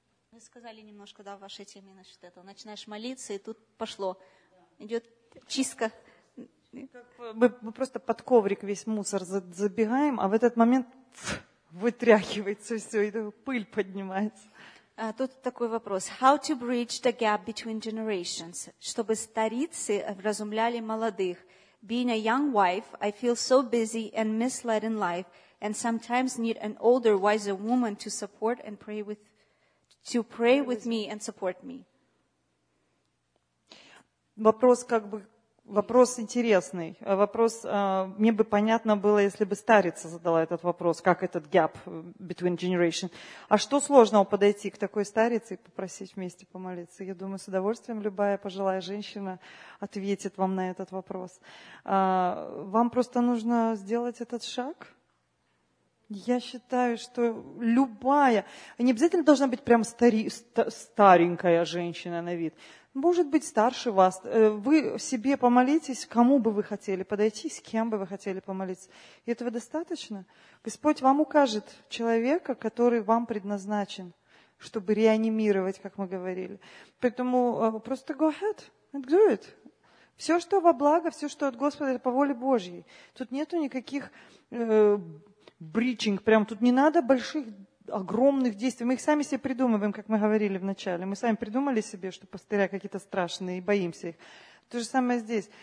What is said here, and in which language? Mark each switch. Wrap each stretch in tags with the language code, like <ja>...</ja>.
<ru>Вы сказали немножко, в вашей теме насчет этого. Начинаешь молиться, и тут пошло. Идет чистка. Мы просто под коврик весь мусор забегаем, а в этот момент вытряхивается все, и пыль поднимается. Тут такой вопрос.</ru> <en>How to bridge the gap between generations?</en> <ru>Чтобы старицы вразумляли молодых.</ru> <en>Being a young wife, I feel so busy and misled in life, and sometimes need an older, wiser woman to support and pray with, to pray with me and support me.</en> <ru>Вопрос Вопрос интересный. Вопрос, мне бы понятно было, если бы старица задала этот вопрос, как этот</ru> <en>gap between generation.</en> <ru>А что сложного подойти к такой старице и попросить вместе помолиться? Я думаю, с удовольствием любая пожилая женщина ответит вам на этот вопрос. Вам просто нужно сделать этот шаг? Я считаю, что любая, не обязательно должна быть прям старенькая женщина на вид. Может быть, старше вас. Вы себе помолитесь, кому бы вы хотели подойти, с кем бы вы хотели помолиться. И этого достаточно? Господь вам укажет человека, который вам предназначен, чтобы реанимировать, как мы говорили. Поэтому просто</ru> <en>go ahead and do it.</en> <ru>Все, что во благо, все, что от Господа, это по воле Божьей. Тут нету никаких бриджинг, прям тут не надо больших... огромных действий. Мы их сами себе придумываем, как мы говорили в начале. Мы сами придумали себе, что пастыря какие-то страшные и боимся их. То же самое здесь.</ru>